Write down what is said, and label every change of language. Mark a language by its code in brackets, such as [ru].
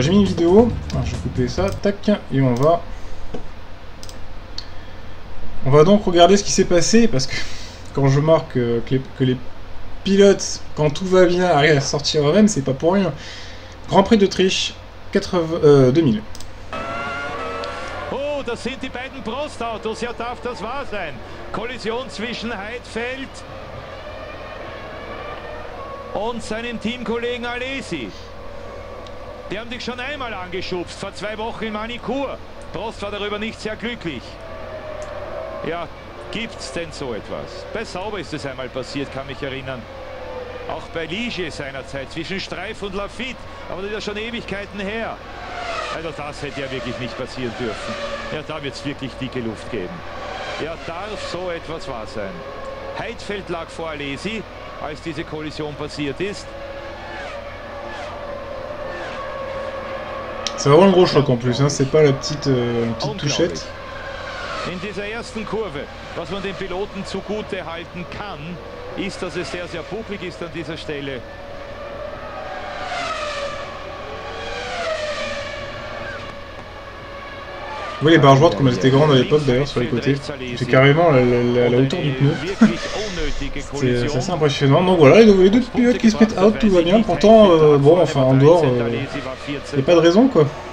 [fr] J'ai mis une vidéo, alors, je vais couper ça, tac, et on va donc regarder ce qui s'est passé, parce que quand je marque que les pilotes, quand tout va bien, arrivent à sortir eux-mêmes, c'est pas pour rien. Grand Prix d'Autriche, 2000. [de] Oh, das sind die beiden Prost-Autos, ja, darf das wahr sein? Kollision zwischen Heidfeld und seinem Teamkollegen Alesi. Die haben dich schon einmal angeschubst, vor zwei Wochen in Manicourt. Prost war darüber nicht sehr glücklich. Ja, gibt's denn so etwas? Bei Sauber ist es einmal passiert, kann mich erinnern. Auch bei Ligier seinerzeit, zwischen Streif und Lafitte, aber das ist ja schon Ewigkeiten her. Also das hätte ja wirklich nicht passieren dürfen. Ja, da wird es wirklich dicke Luft geben. Ja, darf so etwas wahr sein. Heidfeld lag vor Alesi, als diese Kollision passiert ist. [fr] C'est vraiment ein gros Schock en plus, hein. C'est pas la petite Touchette. [de] In dieser ersten Kurve, was man den Piloten zugute halten kann, ist, dass es sehr, sehr bucklig ist an dieser Stelle. [fr] Vous voyez les barres droites comme elles étaient grandes à l'époque d'ailleurs sur les côtés. C'est carrément la hauteur du pneu. C'est assez impressionnant. Donc voilà, les deux pilotes qui se mettent out, tout va bien. Pourtant, en dehors, il n'y a pas de raison quoi.